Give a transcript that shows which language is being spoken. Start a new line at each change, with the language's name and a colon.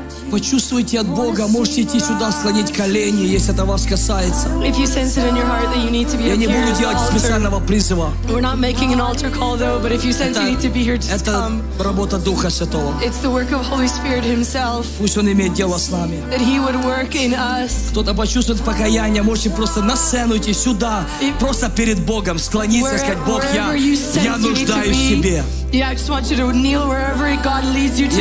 Russian: Почувствуйте от Бога, можете идти сюда, склонить колени, если это вас касается. Я не буду делать специального призыва.
English: We're not making an altar call though, but if you sense you need to be here, just come.
Russian: Это работа Духа Святого.
English: It's the work of Holy Spirit Himself.
Russian: Пусть Он имеет дело с нами.
English: That He would work in us.
Russian: Кто-то почувствует покаяние, можете просто на сцену идти сюда, просто перед Богом склониться, сказать: Бог, я нуждаюсь в Тебе.
English: Yeah, I just want you to kneel wherever God leads you to,